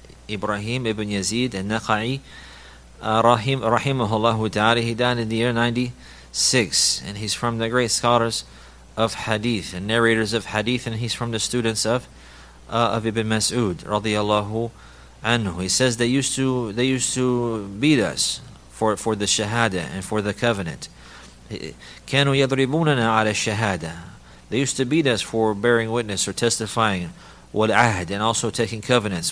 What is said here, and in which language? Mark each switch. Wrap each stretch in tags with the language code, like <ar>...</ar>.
<en>Ibrahim ibn Yazid and Naqai, rahimahullah ta'ala, he died in the year 96, and he's from the great scholars of hadith and narrators of hadith, and he's from the students of Ibn Mas'ud radiyallahu anhu. He says, they used to beat us for the shahada and for the covenant.</en> <ar>كانوا يضربوننا على الشهادة.</ar> <en>They used to beat us for bearing witness or testifying, والعهد, and also taking covenants.</en>